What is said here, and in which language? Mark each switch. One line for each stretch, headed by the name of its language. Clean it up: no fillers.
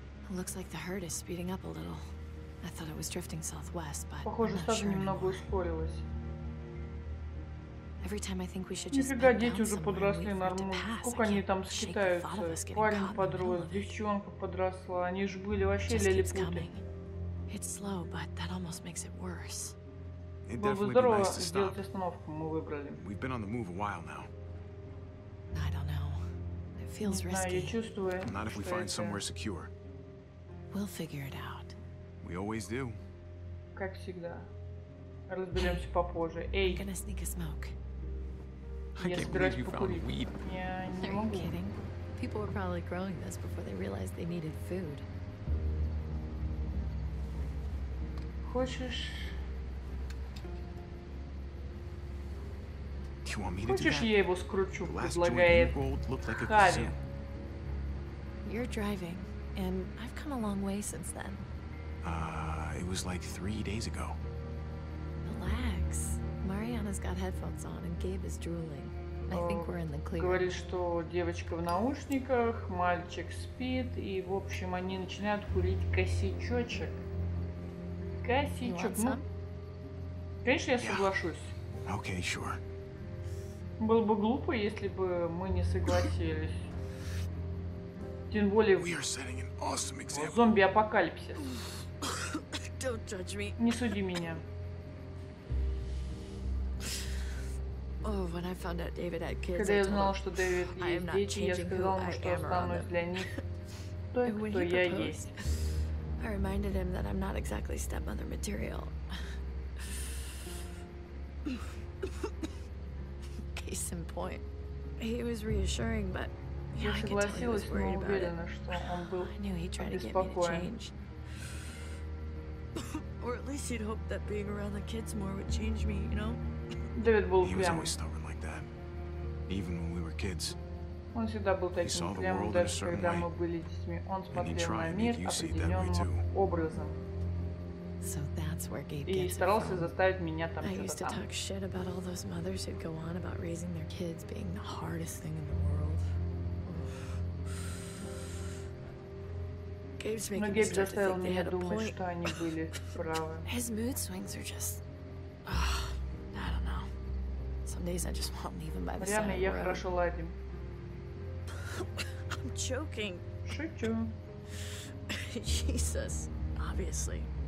English: Looks like the herd is speeding up a little. I thought it was drifting southwest, but
Russian: похоже, стадо немного ускорилось.
English: Every time I think we should just go,
Russian: дети уже подросли нормально. Сколько они там скитаются? Парень подрос, девчонка подросла. Они же были вообще лилипуты.
English: It's slow, but that almost makes it worse.
Russian: Было бы здорово сделать остановку, мы выбрали.
English: We've been on the move a while now. I don't know. It feels risky. Not if we find somewhere secure. We'll figure it out. We always do.
Russian: Как всегда. Разберемся попозже. Эй.
English: I'm gonna sneak a smoke. I can't believe you found weed. Yeah, are you kidding? People were probably growing this before they realized they needed food.
Russian: Хочешь?
English: Do you want me to do
Russian: хочешь,
English: that?
Russian: Я его скручу, предлагает
English: like
Russian: Хави.
English: You're driving. And I've come a long way since then. It was like 3 days ago. Relax. Mariana's got headphones on and Gabe is drooling. I think we're in the clear.
Russian: Говорит, что девочка в наушниках, мальчик спит, и, в общем, они начинают курить косячочек. Косячок.
English: You want
Russian: some? Конечно, я соглашусь.
English: Yeah. Okay, sure.
Russian: Было бы глупо, если бы мы не согласились. Тем более в зомби-апокалипсис.
English: Don't judge me.
Russian: Не суди меня.
English: Oh, when I found out David had kids,
Russian: когда я узнала, что Дэвид есть дети, я сказала ему, что останусь для них той, кто я есть.
English: I reminded him that I'm not exactly stepmother material. Case in point. He was reassuring, but
Russian: я согласилась, но уверена, что он был обеспокоен.
English: Or at least he'd hope that being around the kids more would change me, you know?
Russian: Дэвид был упрямый.
English: He was always stubborn like that, even when we were kids.
Russian: Он всегда был таким упрямым, даже когда мы были детьми. Он смотрел на мир определенным образом.
English: So that's where Gabe
Russian: и
English: gets
Russian: старался
English: from.
Russian: Заставить меня там
English: I used to
Russian: там.
English: Talk shit about all those mothers who'd go on about raising their kids being the hardest thing in the world.
Russian: Но Гейб заставил меня думать, что они были правы.
English: His mood swings are just, oh, I don't know. Some days I just won't leave him by the side.
Russian: Реально, я хорошо ладим.
English: I'm choking.
Russian: Шучу.
English: Jesus, obviously.